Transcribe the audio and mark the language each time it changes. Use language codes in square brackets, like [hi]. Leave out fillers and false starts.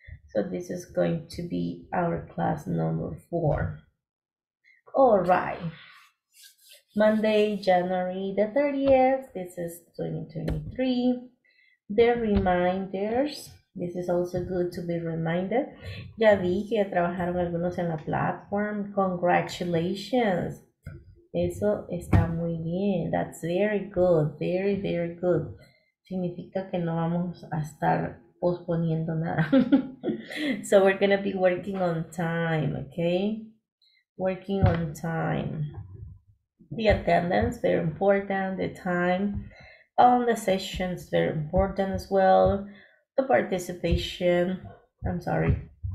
[en] So this is going to be our class number 4. All right. Monday, January the 30th, this is 2023. The reminders, this is also good to be reminded. [es] Ya vi que trabajaron algunos en la platform. [en] Congratulations. [es] Eso está muy bien. [en] That's very good. Very, very good. [es] Significa que no vamos a estar posponiendo nada. [en] So we're going to be working on time, okay? Working on time. The attendance, very important. The time on the sessions, very important as well. The participation, I'm sorry.